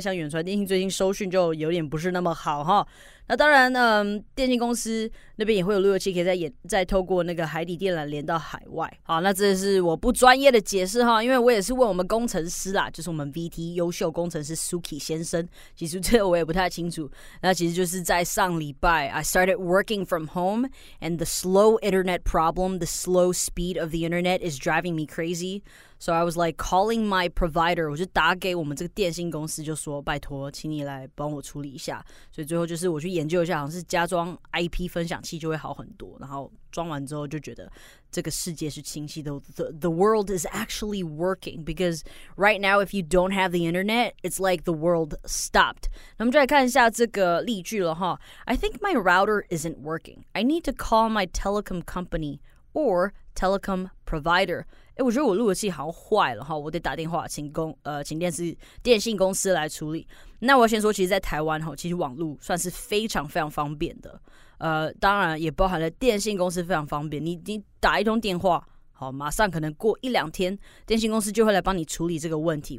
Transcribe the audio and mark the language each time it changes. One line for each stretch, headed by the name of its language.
Chinese: 像远传电信最近收讯就有点不是那么好哈。那当然电信公司那边也会有路由器，可以再透过那个海底电缆连到海外。好，那这是我不专业的解释哈，因为我也是问我们工程师啦，就是我们 VT 优秀工程师 Suki 先生，其实这个我也不太清楚。那其实就是在上礼拜
English: I started working from home and the slow internet problem, the slow speed of the internet is driving me crazy. So I was like calling my provider,
Chinese: 我就打给我们这个电信公司，就说拜托，请你来帮我处理一下。所以最后就是我去研究一下，好像是加装 IP 分享器就会好很多。然后装完之后就觉得这个世界是清晰的 ，
English: the world is actually working. Because right now, if you don't have the internet, it's like the world stopped.
Chinese: 那我们就来看一下这个例句了哈。
English: I think my router isn't working. I need to call my telecom company or telecom provider.
Chinese: 欸、我觉得我录的器好坏了哈，我得打电话请电信公司来处理。那我要先说，其实，在台湾哈，其实网路算是非常非常方便的。当然也包含了电信公司非常方便，你打一通电话，好，马上可能过一两天，电信公司就会来帮你处理这个问题。